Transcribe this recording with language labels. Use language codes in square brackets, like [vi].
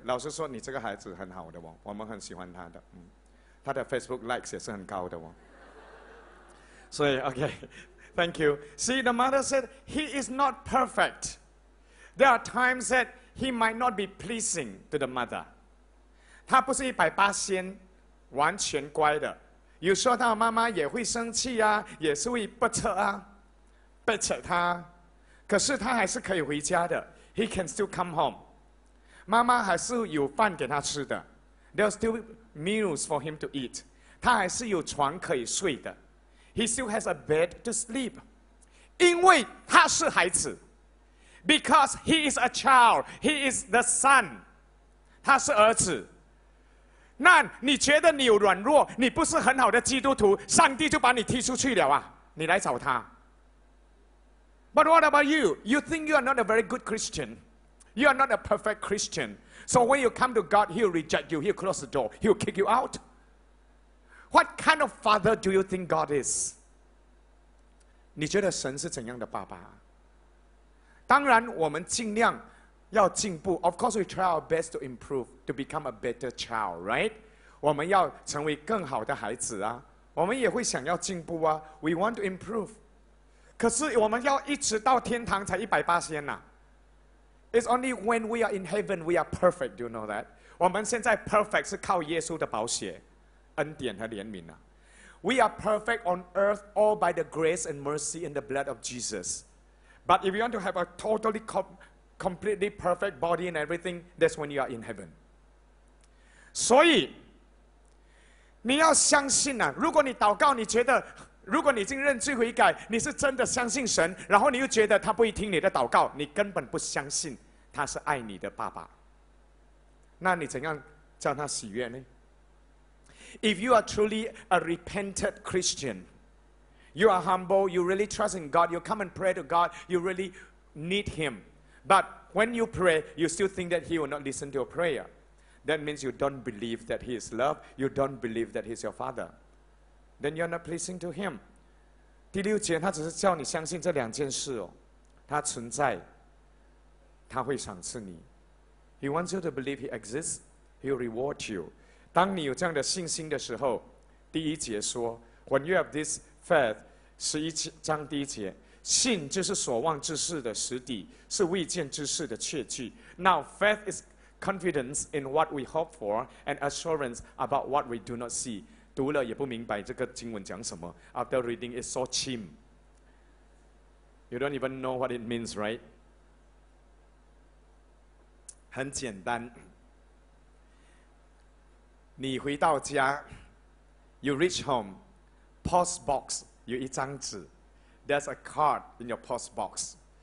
[zh] 老实说，你这个孩子很好的哦，我们很喜欢他的，嗯，他的 Facebook likes 也是很高的哦。 [en] 所以 OK， thank you。 See the mother said he is not perfect。 There are times that he might not be pleasing to the mother。 [zh] 他不是100%完全乖的。有时候他的妈妈也会生气啊，也是会不扯啊，不扯他，可是他还是可以回家的。 [en] He can still come home。 [zh] 妈妈还是有饭给他吃的。 [en] There's still meals for him to eat。 [zh] 他还是有床可以睡的。 [en] He still has a bed to sleep。 [zh] 因为他是孩子。 [en] Because he is a child. He is the son。 [zh] 他是儿子。那你觉得你有软弱，你不是很好的基督徒，上帝就把你踢出去了啊，你来找他。 [en] But what about you? You think you are not a very good Christian. You are not a perfect Christian. So when you come to God, he'll reject you. He'll close the door. He'll kick you out. What kind of father do you think God is? [zh] 你觉得神是怎样的爸爸？当然我们尽量要进步。 [en] Of course we try our best to improve, to become a better child, right? [zh] 我们要成为更好的孩子啊，我们也会想要进步啊， [en] we want to improve. [zh] 可是我们要一直到天堂才100%啊。 [en] It's only when we are in heaven we are perfect, do you know that? [zh] 我们现在 perfect 是靠耶稣的宝血恩典和怜悯啊。 [en] We are perfect on earth all by the grace and mercy in the blood of Jesus. But if you want to have a totally completely perfect body and everything, that's when you are in heaven. [zh] 所以你要相信啊，如果你祷告，你觉得如果你已经认罪悔改，你是真的相信神，然后你又觉得他不会听你的祷告，你根本不相信他是爱你的爸爸，那你怎样叫他喜悦呢？ [en] If you are truly a repentant Christian, you are humble, you really trust in God, you come and pray to God, you really need him. But when you pray, you still think that he will not listen to your prayer. That means you don't believe that he is love. You don't believe that he is your father. Then you're not pleasing to him. [zh] 第六节，他只是叫你相信这两件事哦，他存在，他会赏赐你。 [en] He wants you to believe he exists. He'll reward you. [zh] 当你有这样的信心的时候，第一节说 ， [en] When you have this faith, [zh] 11章第一节。信就是所望之事的实底，是未见之事的确据。 [en] Now faith is confidence in what we hope for and assurance about what we do not see. [zh] 读了也不明白这个经文讲什么。 [en] After reading it's so cheap. You don't even know what it means, right? [zh] 很简单。你回到家 [en] ，you reach home, post box [zh] 有一张纸 [en] ，there's a card in your post box.